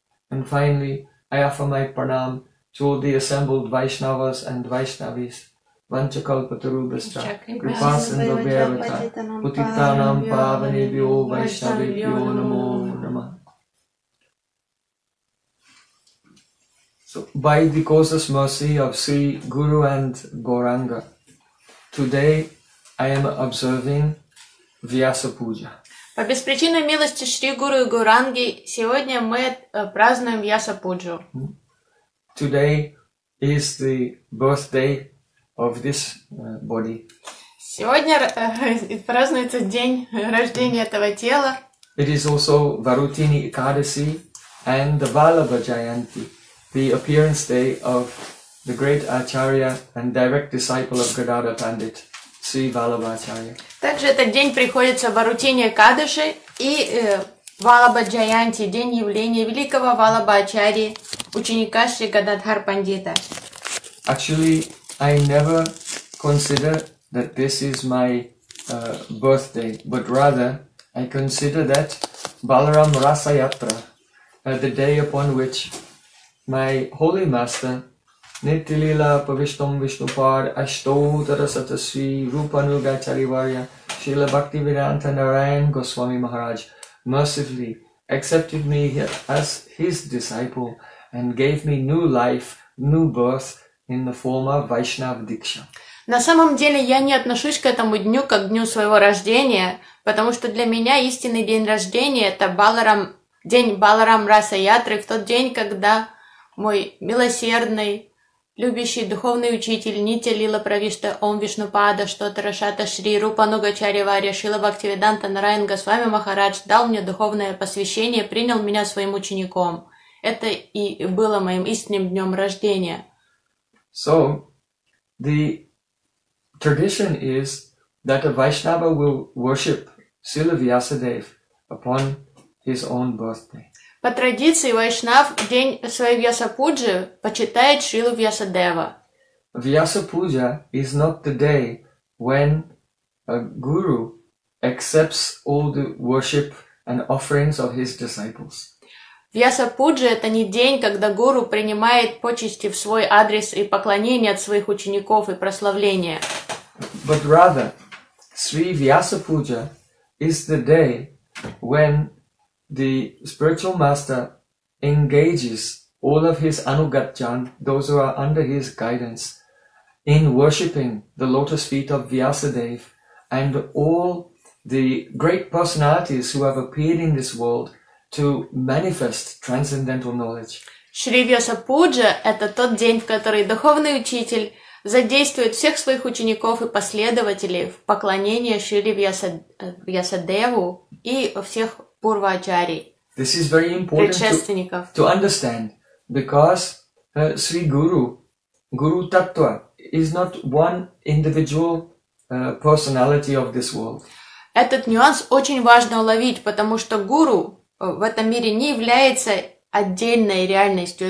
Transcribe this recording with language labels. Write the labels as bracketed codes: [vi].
[en] And finally, I offer my pranam to all the assembled Vaishnavas and Vaishnavis, Vanchakalpatarubhastra, Kripasandha Vyavata, Putitanam Pavanebhyo Vaishnavibhyo Namo Nama. So, by the causeless mercy of Sri Guru and Gauranga, today I am observing Vyasa Puja. [ru] По беспричинной милости Шри Гуру и Гуранги сегодня мы празднуем Вьяса Пуджу. [en] Today is the birthday of this body. [ru] Сегодня празднуется день рождения этого тела. [en] It is also Varutini Ekadasi and the Vallabha Jayanti, the appearance day of the great Acharya and direct disciple of Gadadhar Pandit, Sri Vallabha Acharya. [ru] Также этот день приходится Варутини Экадаши и Валлабха Джаянти, день явления великого Валлабха Ачарьи, ученика Шри Гададхар Пандита. [en] Actually, I never consider that this is my birthday, but rather I consider that Balaram Rasa Yatra, the day upon which my holy master Nityalila Pavishtam Vishnupad Ashtotara Satasvi Rupanuga Charivarya Srila Bhaktivedanta Narayan Goswami Maharaj mercifully accepted me as his disciple and gave me new life, new birth in the form of Vaishnava Diksha. [ru] На самом деле я не отношусь к этому дню как к дню своего рождения, потому что для меня истинный день рождения это Баларам, день Баларам Раса Ятры, в тот день, когда мой милосердный любящий духовный учитель Нитялила Правишта Ом Вишнупада Штотара Шата Шри Рупануга Чариварья Шрила Бхактивиданта Нараян Госвами Махарадж дал мне духовное посвящение, принял меня своим учеником. Это и было моим истинным днем рождения. [en] So, the tradition is that a Vaishnava will worship Srila Vyasadev upon his own birthday. [ru] По традиции Вайшнав день своей Вьяса Пуджи почитает Шрилу Вьяса Дева. [en] Вьяса Пуджа is not the day when a guru accepts all the worship and offerings of his disciples. [ru] Вьяса Пуджа — это не день, когда гуру принимает почести в свой адрес и поклонение от своих учеников и прославления. [en] But rather, Sri Vyasa Puja is the day when the spiritual master engages all of his anugatjan, those who are under his guidance, in worshipping the lotus feet of Vyasadeva and all the great personalities who have appeared in this world to manifest transcendental knowledge. [ru] Shri Vyasa Puja – это тот день, в который духовный учитель задействует всех своих учеников и последователей в поклонение Шри Вьясадеву и всех пурвачарий, предшественников. [en] To understand, because Sri Guru, Guru Tattva, is not one individual personality of this world. [ru] Этот нюанс очень важно уловить, потому что гуру в этом мире не является отдельной реальностью.